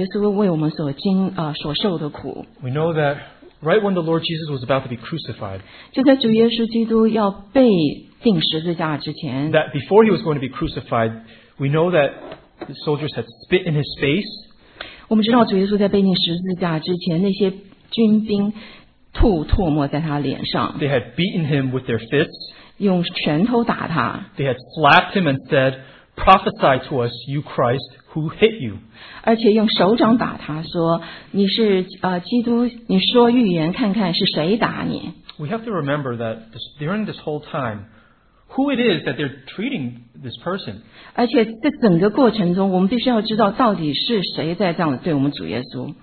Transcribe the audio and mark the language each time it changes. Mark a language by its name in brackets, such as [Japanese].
[Chinese] 那么第三点呢，我想来思考我们主耶稣为我们所受的苦。 [English] We know that right when the Lord Jesus was about to be crucified, [Chinese] 就在主耶稣基督要被钉十字架之前, [English] that before he was going to be crucified, we know that the soldiers had spit in his face. [Chinese] 我们知道主耶稣在被钉十字架之前，那些军兵 吐唾沫在他脸上, [English] they had beaten him with their fists. [Chinese] 用拳头打他, [English] they had slapped him and said, prophesy to us, you Christ, who hit you. [Chinese] 而且用手掌打他说, 你是, 基督, 你说预言看看是谁打你。 [English] We have to remember that during this whole time, who it is that they're treating this person. [Chinese] 而且在整个过程中，我们必须要知道到底是谁在这样对我们主耶稣。